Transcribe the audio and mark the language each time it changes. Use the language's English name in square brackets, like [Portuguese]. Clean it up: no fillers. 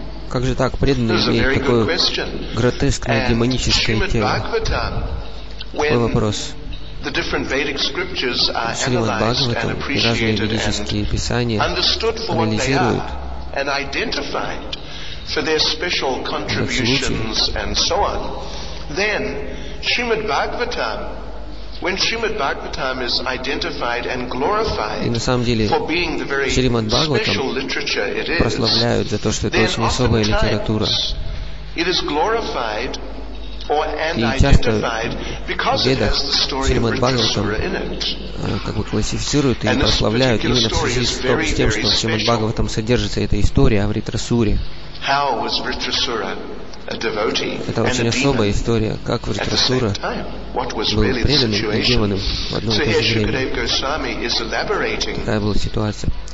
[Russian] Как же так, преданный имеет такое гротескное демоническое тело? Какой вопрос? Шримад-Бхагаватам и разные ведические писания анализируют [English] and identified for their special contributions and so on, then Srimad-Bhagavatam is identified and glorified for being the very special literature it is, then oftentimes it is glorified or and identified because it has the story of Vritrasura in it. [Russian] Как бы классифицируют и прославляют именно в связи с тем, что в Шримад-Бхагаватам содержится эта история о Вритрасуре. Это очень особая история, как Вритрасура был преданным и демоном в одно и то же время. Такая была ситуация.